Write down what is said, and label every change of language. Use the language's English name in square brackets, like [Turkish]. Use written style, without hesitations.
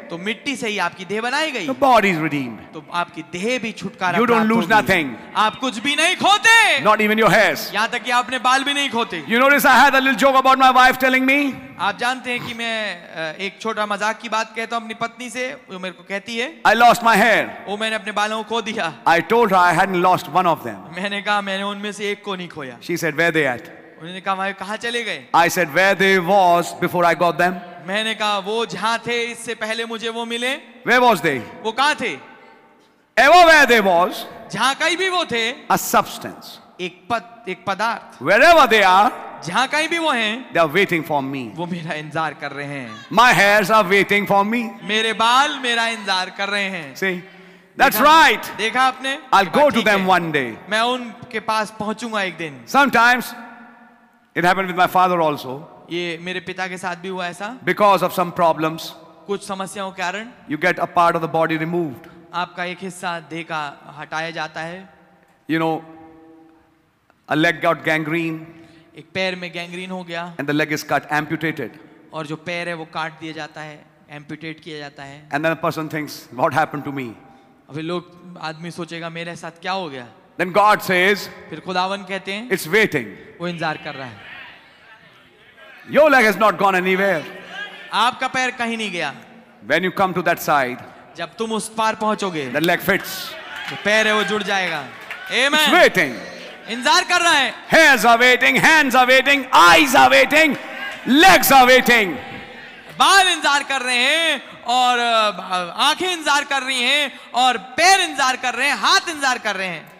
[Hindi] तो मिट्टी से ही आपकी देह बनाई गई. [English] The body is redeemed. [Hindi] तो आपकी देह भी छुटकारा. [English] You don't lose nothing. [Hindi] आप कुछ भी नहीं खोते. [English] Not even your hairs. [Hindi] यहाँ तक कि आपने बाल भी नहीं खोते. [English] You notice I had a little joke about my wife telling me. [Hindi] आप जानते हैं कि मैं एक छोटा मजाक की बात कहता हूँ अपनी पत्नी से वो मेरे को कहती है [English] I lost my hair. [Hindi] वो मैंने अपने बालों को खो दिया. [English] I told her I hadn't lost one of them. [Hindi] मैंने कहा मैंने उनमें से एक को नहीं खोया. [English] She said where they at? [Hindi] उन्होंने कहा भाई कहाँ चले गए? [English] I said where they was before I got them. [Hindi] मैंने कहा वो जहाँ थे इससे पहले मुझे वो मिले. [English] Where was they? [Hindi] वो कहाँ थे? [English] Everywhere they was. [Hindi] जहाँ कहीं भी वो थे. [English] A substance. [Hindi] एक पदार्थ. [English] Wherever they are. [Hindi] जहाँ कहीं भी वो हैं. [English] They are waiting for me. [Hindi] वो मेरा इंतजार कर रहे हैं. [English] My hairs are waiting for me. [Hindi] मेरे बाल मेरा इंतजार कर रहे हैं. [English] See. That's right. [Hindi] देखा आपने? [English] I'll go to them one day. [Hindi] मैं उनके पास पहुंचूंगा एक दिन. [English] Sometimes. It happened with my father also. [Hindi] ये मेरे पिता के साथ भी हुआ ऐसा. [English] Because of some problems. [Hindi] कुछ समस्याओं के कारण. [English] You get a part of the body removed. [Hindi] आपका एक हिस्सा देह का हटाया जाता है. [English] You know, a leg got gangrene. [Hindi] एक पैर में गैंग्रीन हो गया. [English] And the leg is cut, amputated. [Hindi] और जो पैर है वो काट दिया जाता है, amputate किया जाता है. [English] And then a person thinks, what happened to me? [Hindi] अभी लोग आदमी सोचेगा मेरे साथ क्या हो गया? [English] Then God says, [Hindi] फिर खुदावन कहते हैं, [English] it's waiting. [Hindi] वो इंतजार कर रहा है. [English] Your leg has not gone anywhere. [Hindi] आपका पैर कहीं नहीं गया. [English] When you come to that side, [Hindi] जब तुम उस पार पहुंचोगे, [English] the leg fits. [Hindi] जो पैर है वो जुड़ जाएगा. Amen. [English] It's waiting. [Hindi] इंतजार कर रहा है. [English] Hairs are waiting, hands are waiting, eyes are waiting, legs are waiting. [Hindi] बाल इंतजार कर रहे हैं और आंखें इंतजार कर रही हैं और पैर इंतजार कर रहे हैं, हाथ इंतजार कर रहे हैं.